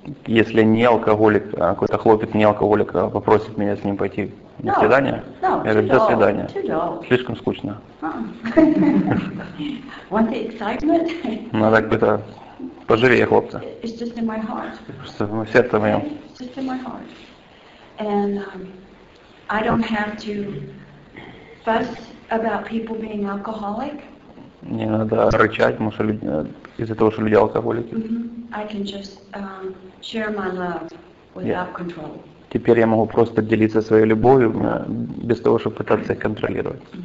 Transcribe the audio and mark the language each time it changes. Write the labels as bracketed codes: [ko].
[ru] Если не алкоголик, какой-то хлопец не алкоголик, попросит меня с ним пойти на [en] no, [ru] свидание, [en] no, [ru] я говорю, [en] dull, [ru] до свидания. Слишком скучно. [en] Want the excitement? [ru] Ну так бы-то поживее, хлопца. [en] It's just in my heart. [ru] Просто в сердце моем. [en] It's just in my heart. And I don't have to fuss about people being alcoholic. [ru] Не надо рычать, потому что люди, из-за того, что люди алкоголики. [en] I can just share my love without control. [ru] Теперь я могу просто делиться своей любовью без того, чтобы пытаться их контролировать.